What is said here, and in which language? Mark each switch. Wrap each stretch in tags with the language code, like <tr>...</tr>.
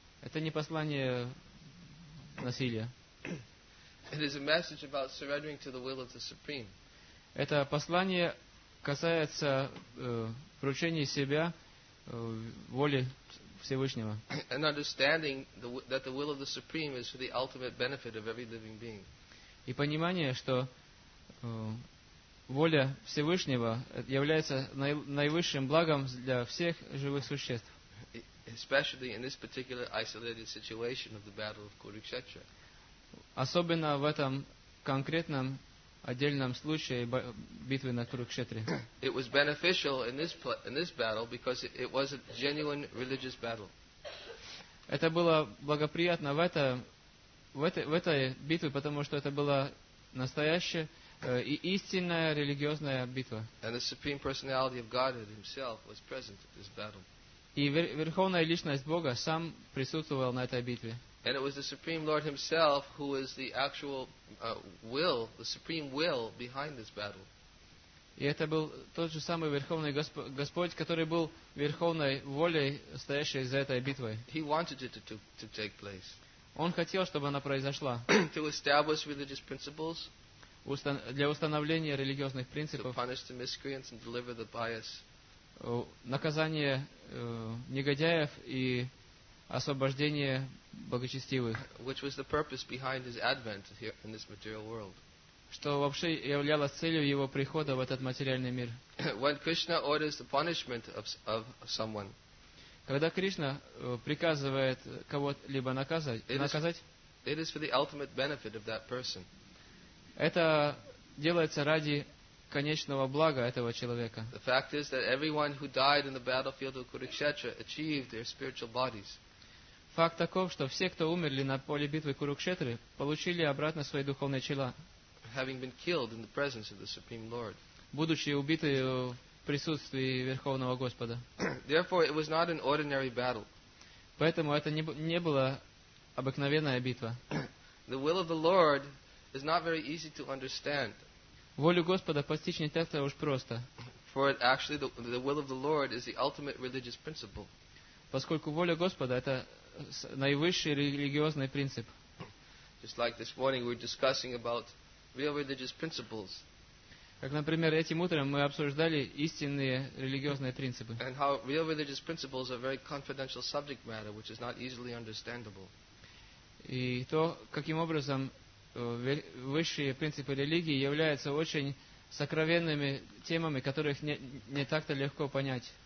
<ru>Это не послание насилия.</ru> <en>It is a message about surrendering to the will of the Supreme.</en> <ru>Это послание касается вручения себя воле Всевышнего.</ru> <en>And understanding that the will of the Supreme is for the ultimate benefit of every living being.</en> <ru>И понимание, что воля Всевышнего является наивысшим благом для всех живых существ.</ru> <en>Especially in this particular isolated situation of the battle of Kurukshetra.</en> <ru>Особенно в этом конкретном отдельном случае битвы на Курукшетре.</ru> <en>It was beneficial in this battle because it was a genuine religious battle.</en> <ru>Это было благоприятно в этой битве, потому что это была настоящая и истинная религиозная битва.</ru> <en>And the Supreme Personality of Godhead himself was present at this battle.</en> <ru>И верховная личность Бога сам присутствовал на этой битве.</ru> <en>And it was the Supreme Lord himself who is the actual will, the supreme will behind this battle.</en> <ru>И это был тот же самый верховный Господь, который был верховной волей, стоящей за этой битвой.</ru> <en>He wanted it to take place.</en> <ru>Он хотел, чтобы она произошла.</ru> <en>To establish religious principles,</en> <ru>для установления религиозных принципов.</ru> <en>To punish the miscreants and deliver the pious.</en> <ru>Наказание негодяев и освобождение благочестивых.</ru> <en>Which was the purpose behind his advent here in this material world.</en> <ru>Что вообще являлось целью его прихода в этот материальный мир.</ru> <en>When Krishna orders the punishment of someone,</en> <ru>когда Кришна приказывает кого-либо наказать,</ru> <en>it is for the ultimate benefit of that person.</en> <ru>Это делается ради конечного блага этого человека.</ru> <en>The fact is that everyone who died in the battlefield of Kurukshetra achieved their spiritual bodies.</en> <ru>Факт таков, что все, кто умерли на поле битвы Курукшетры, получили обратно свои духовные тела.</ru> <en>Having been killed in the presence of the Supreme Lord.</en> <ru>Будучи убиты в присутствии Верховного Господа.</ru> <en>Therefore, it was not an ordinary battle.</en> <ru>Поэтому это не была обыкновенная битва.</ru> <en>The will of the Lord is not very easy to understand.</en> <ru>Волю Господа постичь не так-то уж просто.</ru> <en>For it actually, the will of the Lord is the ultimate religious principle.</en> <ru>Поскольку воля Господа это наивысший религиозный принцип.</ru> <en>Just like this morning we're discussing about real religious principles.</en> <ru>Как, например, этим утром мы обсуждали истинные религиозные принципы.</ru> <en>And how real religious principles are very confidential subject matter, which is not easily understandable.</en> <ru>И то, каким образом высшие принципы религии являются очень сокровенными темами, которых не так-то легко понять.</ru>